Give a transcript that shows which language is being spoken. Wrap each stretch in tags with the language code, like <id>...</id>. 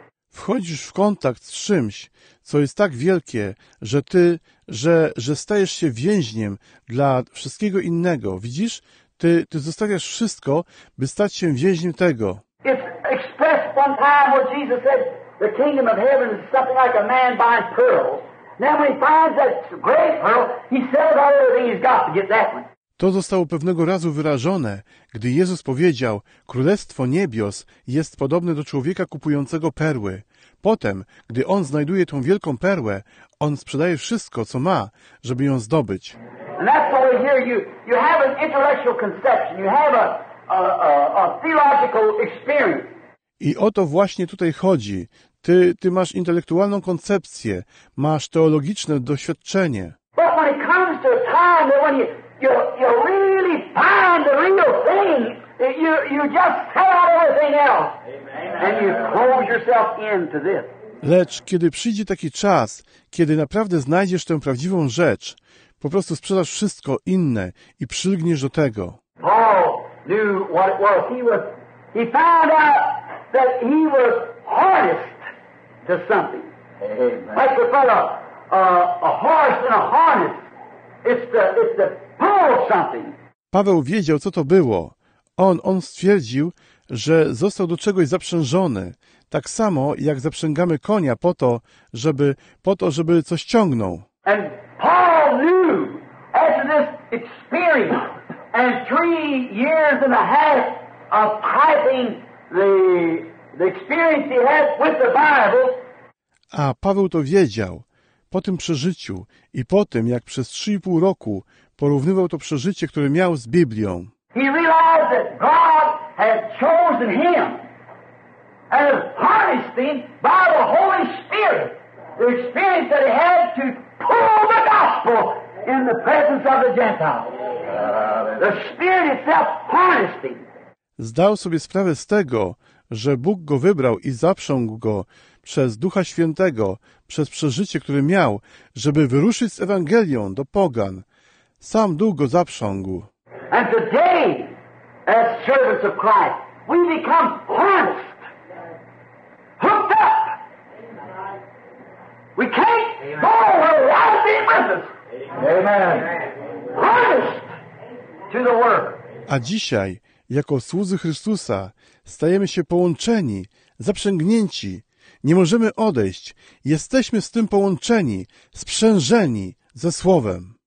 <pl>Wchodzisz w kontakt z czymś, co jest tak wielkie, że ty, że stajesz się więźniem dla wszystkiego innego. Widzisz? Ty zostawiasz wszystko, by stać się więźniem tego.</pl> <en>It's expressed one time what Jesus said, the kingdom of heaven is something like a man buying pearls. Now when he finds that great pearl, he sells everything he's got to get that one.</en> <pl>To zostało pewnego razu wyrażone, gdy Jezus powiedział: Królestwo Niebios jest podobne do człowieka kupującego perły. Potem, gdy on znajduje tą wielką perłę, on sprzedaje wszystko, co ma, żeby ją zdobyć.</pl> <en>And that's why here you have an intellectual conception, you have a theological experience.</en> <pl>I o to właśnie tutaj chodzi. Ty masz intelektualną koncepcję, masz teologiczne doświadczenie.</pl> <en>But when it comes to a time that when you really find the real thing, you just tear out everything else. And you close yourself in to this.</en> <pl>Lecz kiedy przyjdzie taki czas, kiedy naprawdę znajdziesz tę prawdziwą rzecz, po prostu sprzedasz wszystko inne i przylgniesz do tego.</pl> <en>Paul knew what it was. He found out that he was harnessed to something. Amen. Like a fellow, a horse in a harness. It's the pull of something.</en> <pl>Paweł wiedział, co to było. On stwierdził, że został do czegoś zaprzężony. Tak samo, jak zaprzęgamy konia po to, żeby coś ciągnął.</pl> <en>And Paul knew, after this experience and 3.5 years of typing the experience he had with the Bible.</en> <pl>A Paweł to wiedział. Po tym przeżyciu i po tym, jak przez 3.5 roku porównywał to przeżycie, które miał z Biblią.</pl> <en>He realized that God had chosen him and harnessed him by the Holy Spirit. The experience that he had to pull the gospel in the presence of the Gentiles. The Spirit itself harnessed him.</en> <pl>Zdał sobie sprawę z tego, że Bóg go wybrał i zaprzągł go przez Ducha Świętego, przez przeżycie, które miał, żeby wyruszyć z Ewangelią do pogan. Sam Duch go zaprzągł.</pl> <en>And today, as servants of Christ, we become harnessed, hooked up. We can't go without being with us. Amen. Harnessed to the work.</en> <pl>A dzisiaj, jako słudzy Chrystusa, stajemy się połączeni, zaprzęgnięci. Nie możemy odejść. Jesteśmy z tym połączeni, sprzężeni ze Słowem.</pl>